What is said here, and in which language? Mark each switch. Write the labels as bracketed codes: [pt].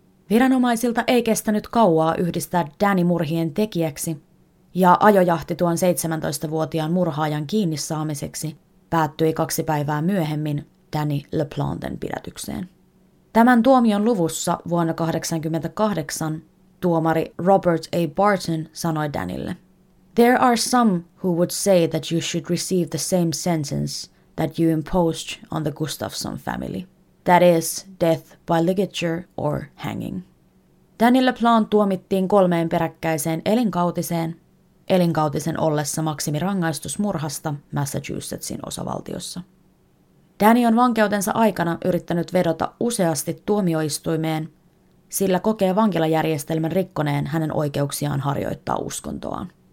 [fi] Viranomaisilta ei kestänyt kauaa yhdistää Danny murhien tekijäksi, ja ajojahti tuon 17-vuotiaan murhaajan kiinni saamiseksi päättyi 2 päivää myöhemmin Danny LaPlanten pidätykseen. Tämän tuomion luvussa vuonna 1988 tuomari Robert A. [en] Barton [fi] sanoi Dannylle: [en] "There are some who would say that you should receive the same sentence that you imposed on the Gustafsson family. That is, death by ligature or hanging." [fi] Danny LaPlante tuomittiin 3 peräkkäiseen elinkautiseen, elinkautisen ollessa maksimirangaistus murhasta Massachusettsin osavaltiossa. Danny on vankeutensa aikana yrittänyt vedota useasti tuomioistuimeen, sillä kokee vankilajärjestelmän rikkoneen hänen oikeuksiaan harjoittaa uskontoaan.